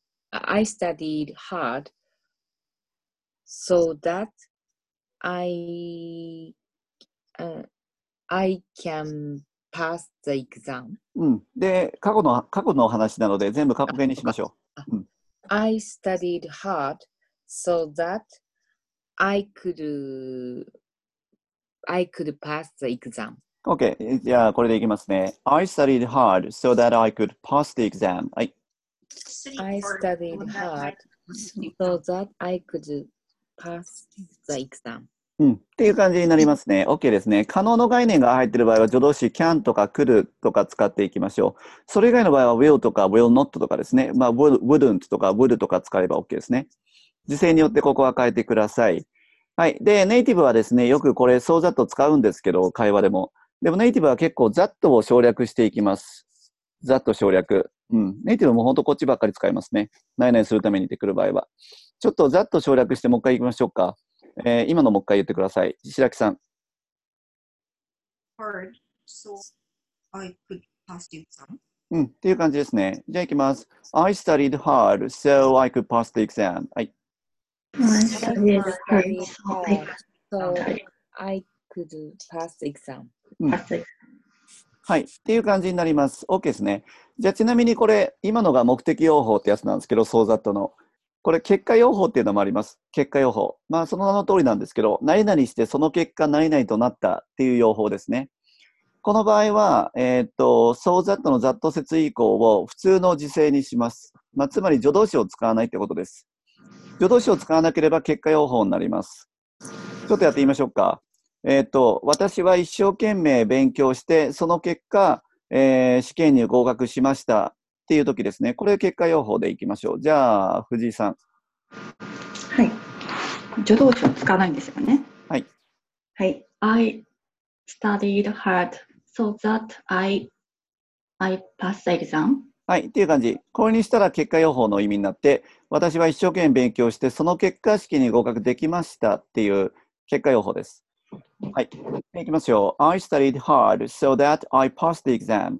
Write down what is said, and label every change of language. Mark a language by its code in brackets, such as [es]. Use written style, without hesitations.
[en] I studied hard so that I can pass the exam. [ja] うん。で、過去の話なので全部過去形にしましょう。 [en] I studied hard so that I could pass the exam. [ja] Okay, じゃあこれでいきますね。 [en] I studied hard so that I could pass the exam. [ja] はい。 [en] I studied hard so that I could pass the exam. [ja] うん、っていう感じになりますね。 OK ですね。可能の概念が入っている場合は助動詞 can とか could とか使っていきましょう。それ以外の場合は will とか will not とかですね。まあ、wouldn't とか would とか使えば OK ですね。時制によってここは変えてください。はい。で、ネイティブはですね、よくこれ、so that 使うんですけど、会話でも。でもネイティブは結構 that を省略していきます。 that 省略。うん。ネイティブも本当こっちばっかり使いますね。何々するために出てくる場合は。ちょっと that 省略してもう一回行きましょうか。今のもう一回言ってください。白木さん。 [en] Hard, so I could pass the exam. [ja] うん、っていう感じですね。じゃあ行きます。 [en] I studied hard, so I could pass the exam. はい。 I studied hard, so I could pass the exam.、 [ja] うん、はい、っていう感じになります。OK ですね。じゃあちなみにこれ、今のが目的用法ってやつなんですけど、so that の。これ結果用法っていうのもあります。結果用法。まあその名の通りなんですけど、何々してその結果何々となったっていう用法ですね。この場合は、so that の that 節以降を普通の時制にします。まあつまり助動詞を使わないってことです。助動詞を使わなければ結果用法になります。ちょっとやってみましょうか。私は一生懸命勉強して、その結果、試験に合格しました。っていう時ですね。これ結果用法でいきましょう。じゃあ藤井さん。はい。助動詞を使わないんですよね。はい。はい。 [en] I studied hard so that I passed the exam。 [ja] はい。っていう感じ。これにしたら結果用法の意味になって、私は一生懸命勉強してその結果試験に合格できましたっていう結果用法です。はい。いきますよ。 [en] I studied hard so that I passed the exam。